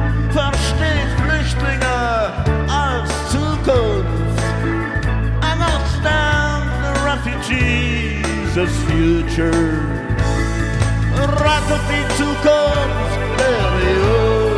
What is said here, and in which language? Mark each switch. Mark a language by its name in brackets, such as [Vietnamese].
[German] Versteht Flüchtlinge als Zukunft. [English] Understand the refugees as future. [German] Rettet die Zukunft der EU.